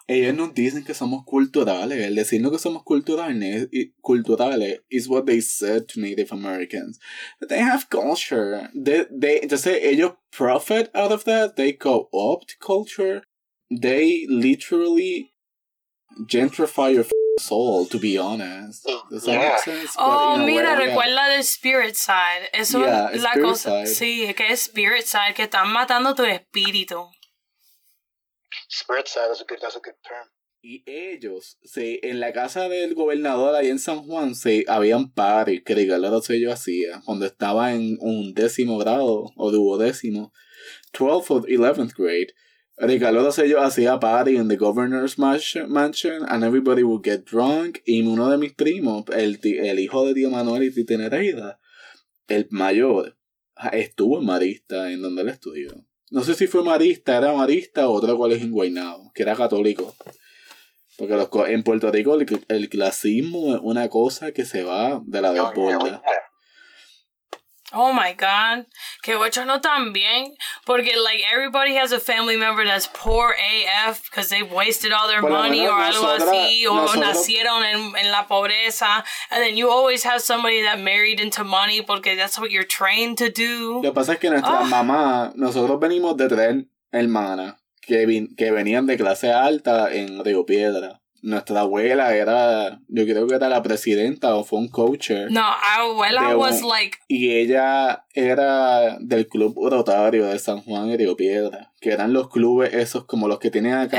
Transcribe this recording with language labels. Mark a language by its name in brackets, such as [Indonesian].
[Spanish] Ellos nos dicen que somos culturales. El decirnos que somos culturales [English] is what they said to Native Americans. They have culture. They [Spanish] entonces ellos [English] profit out of that. They co-opt culture. They literally gentrify your soul, to be honest. Does that make sense? Oh, but, [Spanish] mira, [English] way, [Spanish] recuerda del [English] spirit side. [Spanish] Eso [English] yeah, [Spanish] es la cosa. Side. Sí, que es spirit side, que están matando tu espíritu. [English] Spirit side, that's a good term. [Spanish] Y ellos, sí, en la casa del gobernador ahí en San Juan, sí, habían party, que regalados ellos hacían, cuando estaba en un décimo grado, o duodécimo, [English] 12th or 11th grade. [Spanish] Regalados ellos hacía [English] party en the governor's mansion and everybody would get drunk. [Spanish] Y uno de mis primos, el hijo de tío Manuel y tía Nereida, el mayor, estuvo en Marista, en donde él estudió. No sé si fue Marista, era Marista o otro colegio en Guaynabo, que era católico. Porque en Puerto Rico el clasismo es una cosa que se va de la desborda. [English] Oh my God, [Spanish] que ocho no tan bien, porque [English] like everybody has a family member that's poor AF because they've wasted all their money or [Spanish] algo así, o nacieron en la pobreza, [English] and then you always have somebody that married into money [Spanish] porque [English] that's what you're trained to do. [Spanish] Lo que pasa es que nosotros venimos de tres hermanas que venían de clase alta en Río Piedra. Nuestra abuela era, yo creo que era la presidenta o fue un coacher. [English] No, abuela was like... [Spanish] Y ella era del club Rotario de San Juan y Río Piedra, que eran los clubes esos como los que tienen acá.